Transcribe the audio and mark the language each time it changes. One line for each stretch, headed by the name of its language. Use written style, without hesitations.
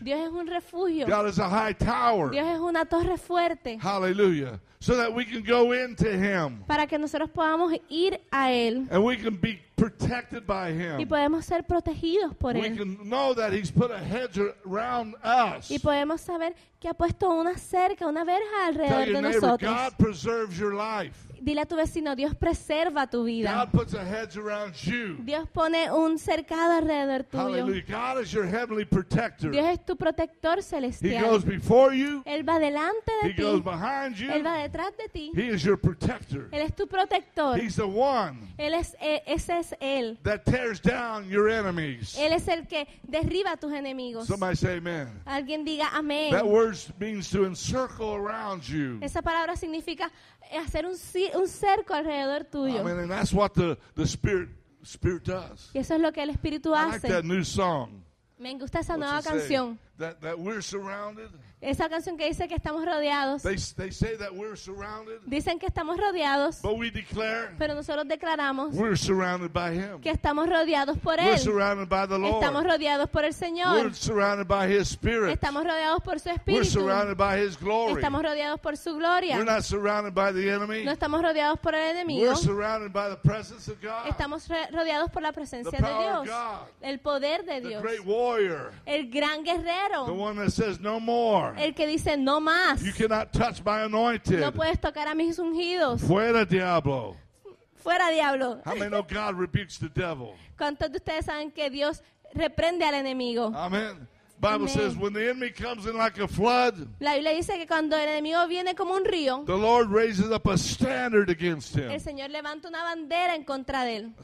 Spanish: Dios es un refugio.
English: God is a high tower.
Spanish: Dios es una torre fuerte.
English: Hallelujah. So that we can go into him.
Spanish: Para que nosotros podamos ir a él.
English: And we can be protected by him.
Spanish: Y podemos ser protegidos por
English: we
Spanish: él.
English: We can know that he's put a hedge around us.
Spanish: Y podemos saber que ha puesto una cerca, una verja alrededor
English: tell
Spanish: de
English: neighbor,
Spanish: nosotros.
English: God preserves your life.
Spanish: Dile a tu vecino, Dios preserva tu vida.
English: God puts a hedge around you.
Spanish: Dios pone un cercado alrededor tuyo.
English: Hallelujah. God is your heavenly protector.
Spanish: Dios es tu protector celestial.
English: He goes before you.
Spanish: Él va delante de
English: he
Spanish: ti.
English: He goes behind you.
Spanish: Él va detrás de ti.
English: He is your protector.
Spanish: Él es tu protector.
English: He's the one.
Spanish: Él es, ese es él.
English: That tears down your enemies.
Spanish: Él es el que derriba a tus enemigos.
English: Somebody say amen.
Spanish: Alguien diga amén.
English: That word means to encircle around you.
Spanish: Esa palabra significa hacer un cerco alrededor tuyo.
English: I mean, and that's what the spirit does.
Spanish: Y eso es lo que el espíritu
English: I
Spanish: hace.
English: Like that new song.
Spanish: Me gusta esa nueva canción.
English: That we're surrounded.
Spanish: Esa canción que dice que estamos rodeados.
English: They say that we're surrounded.
Spanish: Dicen que estamos rodeados.
English: But we declare.
Spanish: Pero nosotros declaramos.
English: We're surrounded by him.
Spanish: Que estamos rodeados por
English: we're
Spanish: él.
English: We're surrounded by the Lord.
Spanish: Estamos rodeados por el Señor.
English: We're surrounded by his spirit.
Spanish: Estamos rodeados por su espíritu.
English: We're surrounded by his glory.
Spanish: Estamos rodeados por su gloria.
English: We're not surrounded by the enemy.
Spanish: No estamos rodeados por el enemigo.
English: We're surrounded by the presence of God.
Spanish: Estamos rodeados por la presencia
English: the power
Spanish: de Dios.
English: Of God.
Spanish: El poder de Dios.
English: The great warrior.
Spanish: El gran guerrero.
English: The one that says no more.
Spanish: El que dice no más.
English: You cannot touch my anointed.
Spanish: No puedes tocar a mis ungidos. Fuera diablo. Fuera diablo.
English: How many know God rebukes the devil?
Spanish: ¿Cuántos de ustedes saben que Dios reprende al enemigo? Amen. Bible Amen.
English: Says when the enemy comes in like a flood.
Spanish: La Biblia dice que cuando el enemigo viene como un río.
English: The Lord raises up a standard against him.
Spanish: El Señor levanta una bandera en contra de él.